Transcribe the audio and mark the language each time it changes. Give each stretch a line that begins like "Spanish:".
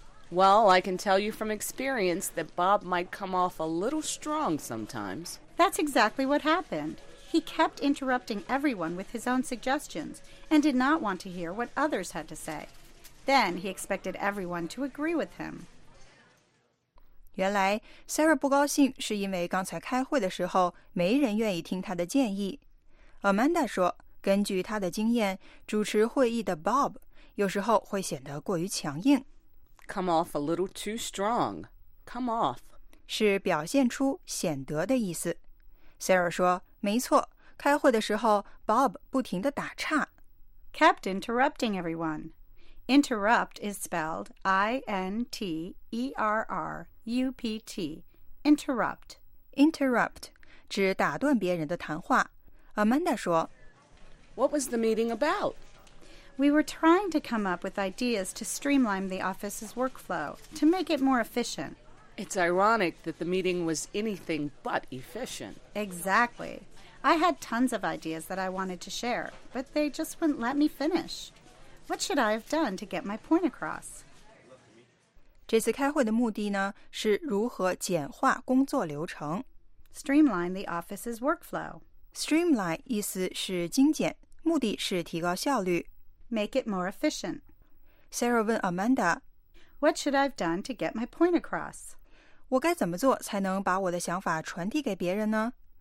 English: Well, I can tell you from experience that Bob might come off a little strong sometimes. That's exactly what happened. He kept interrupting everyone with his own suggestions and did not want to hear what others had to say. Then he expected everyone to agree with him.
Chinese: 原来 Sarah 不高兴是因为刚才开会的时候没人愿意听她的建议。 Amanda 说，根据她的经验，主持会议的 Bob 有时候会显得过于强硬。
English: Come off a little too strong. Come off
Chinese: 是表现出显得的意思。Sarah 说。没错，开会的时候 Bob 不停地打岔。
English: Kept interrupting everyone. Interrupt is spelled I-N-T-E-R-R-U-P-T. Interrupt.
Chinese: Interrupt 指打断别人的谈话。Amanda 说
English: What was the meeting about? We were trying to come up with ideas to streamline the office's workflow, to make it more efficient. It's ironic that the meeting was anything but efficient. Exactly. I had tons of ideas that I wanted to share, but they just wouldn't let me finish. What should I have done to get my point across?
Chinese: 这次开会的目的呢，是如何简化工作流程。
English: Streamline the office's workflow.
Chinese: Streamline 意思是精简，目的是提高效率。
English: Make it more efficient.
Chinese: Sarah 问 Amanda,
English: What should I have done to get my point across?
Chinese: 我该怎么做才能把我的想法传递给别人呢?